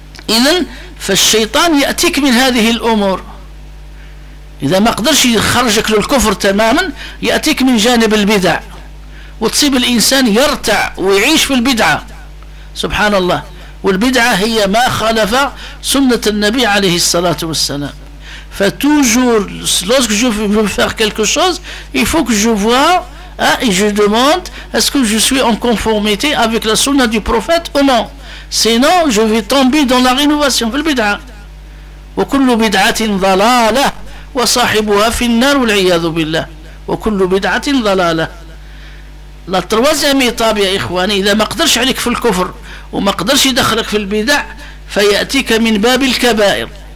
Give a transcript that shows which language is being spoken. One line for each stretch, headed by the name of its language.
Arabic: اذا فالشيطان ياتيك من هذه الامور. إذا ما قدرش يخرجك للكفر تماما, يأتيك من جانب البدع وتصيب الإنسان يرتع ويعيش في البدعة. سبحان الله. والبدعة هي ما خالف سنة النبي عليه الصلاة والسلام.
French: فتوجور lorsque je veux faire quelque chose, il faut que je voie et je demande est-ce que je suis en conformité avec la sunna du prophète ou non. Sinon, je vais tomber dans la rénovation, le bid'a.
Arabic: وكل بدعة ضلالة وصاحبها في النار والعياذ بالله وكل بدعة ضلالة.
French: La troisième étape,
Arabic: يا إخواني, إذا ما قدرش عليك في الكفر وما قدرش يدخلك في البدع فيأتيك من باب الكبائر.